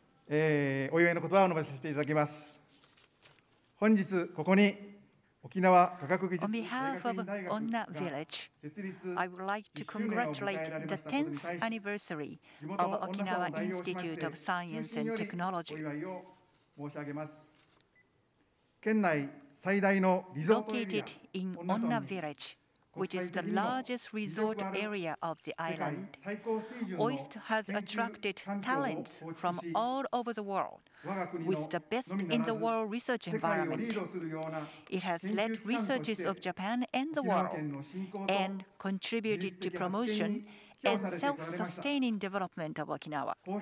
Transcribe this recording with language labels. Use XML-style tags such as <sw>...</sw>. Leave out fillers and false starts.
<ja>お祝いの言葉を述べさせていただきます。本日ここに沖縄科学技術大学院大学が設立</ja> <en>I would like to congratulate the 10th anniversary of Okinawa Institute of Science and Technology.</en> <ja>中心よりお祝いを申し上げます。県内最大のリゾートエリア</ja> <en>Located in Onna Village, which is the largest resort area of the island, OIST has attracted talents from all over the world with the best in the world research environment. It has led researches of Japan and the world and contributed to promotion and self-sustaining development of Okinawa.</en>